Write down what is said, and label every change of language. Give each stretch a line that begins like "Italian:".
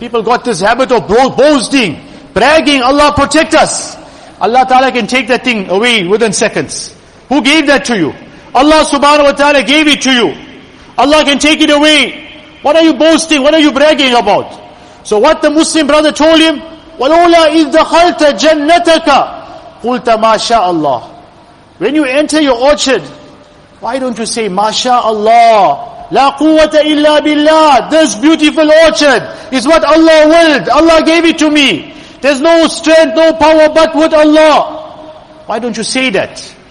English: People got this habit of boasting, bragging, Allah protect us. Allah Ta'ala can take that thing away within seconds. Who gave that to you? Allah subhanahu wa ta'ala gave it to you. Allah can take it away. What are you boasting? What are you bragging about? So what the Muslim brother told him,
Arabic: وَلَوْلَا إِذْ دَخَلْتَ جَنَّتَكَ قُلْتَ مَا شَاءَ اللَّهِ.
English: When you enter your orchard, why don't you say,
Arabic: مَا شَاءَ اللَّهِ لَا قُوَّةَ إِلَّا بِاللَّهِ.
English: This beautiful orchard is what Allah willed. Allah gave it to me. There's no strength, no power but with Allah. Why don't you say that?